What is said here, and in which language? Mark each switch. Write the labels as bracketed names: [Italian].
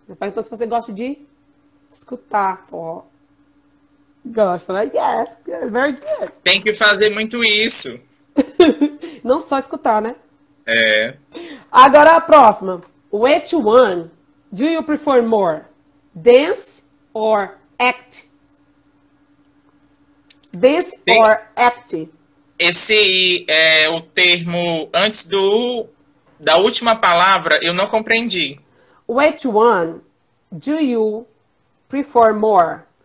[Portuguese] Então, se você gosta de escutar forró. Gosta, né? [English] Yes, very good. [Portuguese] Tem que fazer muito isso. Não só escutar, né? É. Agora a próxima. [English] Which one do you prefer more? Dance or act? Dance or act? [Portuguese] Esse é o termo antes do da última palavra, eu não compreendi. [English] Which one do you prefer more?